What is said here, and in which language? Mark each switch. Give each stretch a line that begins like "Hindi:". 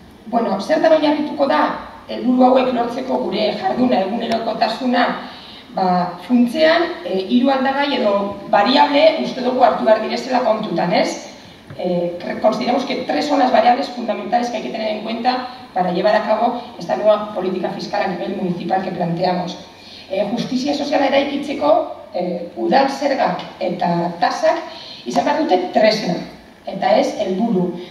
Basque: Bueno, zertan oinarrituko da helburu hauek lortzeko gure jarduna egunerokotasuna, ba, funtzean hiru aldagai edo variable uste dugu hartu behar direzela kontutan, ez?
Spanish: Consideramos que tres son las variables fundamentales que hay que tener en cuenta para llevar a cabo esta nueva política fiscal a nivel municipal que planteamos.
Basque: Justizia soziala eraikitzeko udal zergak eta tasak izan behar dute tresna, eta ez helburu.